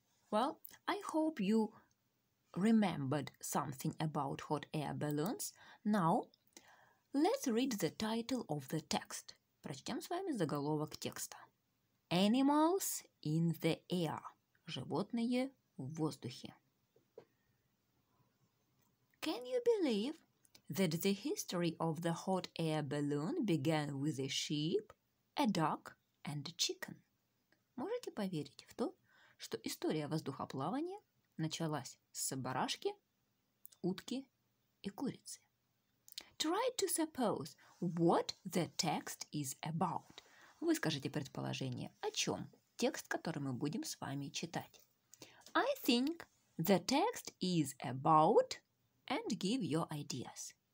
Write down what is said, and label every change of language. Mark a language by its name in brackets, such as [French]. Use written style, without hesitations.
[English] Well, I hope you remembered something about hot air balloons. Now, let's read the title of the text. [Russian] Прочтем с вами заголовок текста. [English] Animals in the air. [Russian] Животные в воздухе. [English] Can you believe that the history of the hot air balloon began with a sheep, a duck and a chicken? [Russian] Можете поверить в то, что история воздухоплавания началась с барашки, утки и курицы. [English] Try to suppose what the text is about. [Russian] Вы скажете предположение, о чем текст, который мы будем с вами читать. [English] I think the text is about and give your ideas.